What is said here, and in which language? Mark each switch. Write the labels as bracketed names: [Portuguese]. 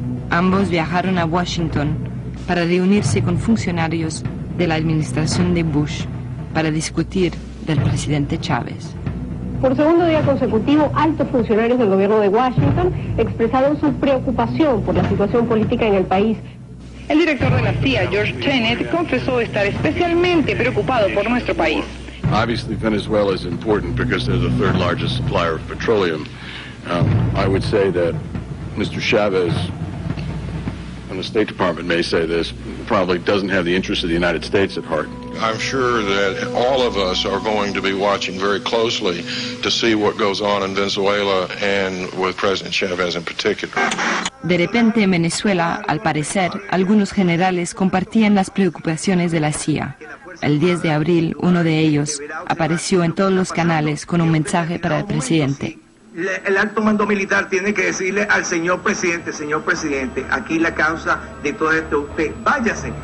[Spanish] Ambos viajaron a Washington para reunirse con funcionarios de la administración de Bush para discutir del presidente Chávez. Por segundo día consecutivo, altos funcionarios del gobierno de Washington expresaron su preocupación por la situación política en el país. El director de la CIA, George Tenet, confesó estar especialmente preocupado por nuestro país. [English] Obviously, Venezuela is important because they're the third largest supplier of petroleum. I would say that Mr. Chavez, and the State Department may say this, probably doesn't have the interests of the United States at heart. I'm sure that all of us are going to be watching very closely to see what goes on in Venezuela and with President Chavez in particular. [Spanish] De repente, en Venezuela, al parecer, algunos generales compartían las preocupaciones de la CIA. El 10 de abril, uno de ellos apareció en todos los canales con un mensaje para el presidente. El alto mando militar tiene que decirle al señor presidente, aquí la causa de todo esto, usted váyase.